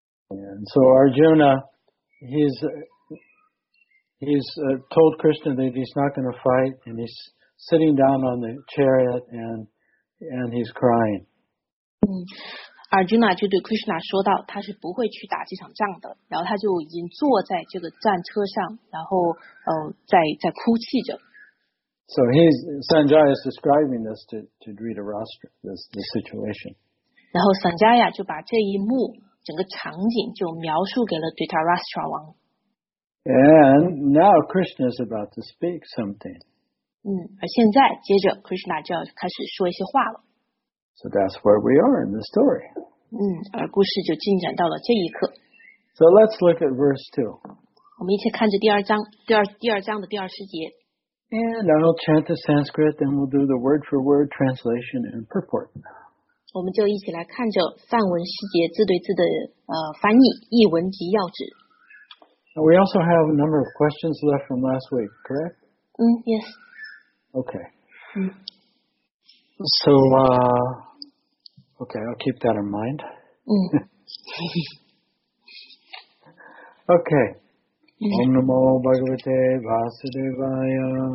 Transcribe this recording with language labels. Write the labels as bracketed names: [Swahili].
[English] And so Arjuna, he's told Krishna that he's not going to fight, and he's sitting down on the chariot and he's crying. [Chinese] Arjuna 就对 Krishna 说到，他是不会去打这场仗的，然后他就已经坐在这个战车上，然后在哭泣着。 [English] So Sanjaya is describing this to Dhritarashtra, this situation. [Chinese] 然后 Sanjaya 就把这一幕整个场景就描述给了 Dhritarashtra 王。 [English] And now Krishna is about to speak something. [Chinese] 而现在接着 Krishna 就要开始说一些话了。 [English] So that's where we are in the story. [Chinese] 而故事就进展到了这一刻。 [English] So let's look at verse 2. [Chinese] 我们一起看着第二章的第二诗节。 [English] And I'll chant the Sanskrit, then we'll do the word for word translation and purport. [Chinese] 我们就一起来看着梵文诗节字对字的翻译，译文及要旨。 [English] We also have a number of questions left from last week, correct? Yes. Okay. So, I'll keep that in mind. Okay. [Sanskrit] Om Namo Bhagavate Vasudevaya.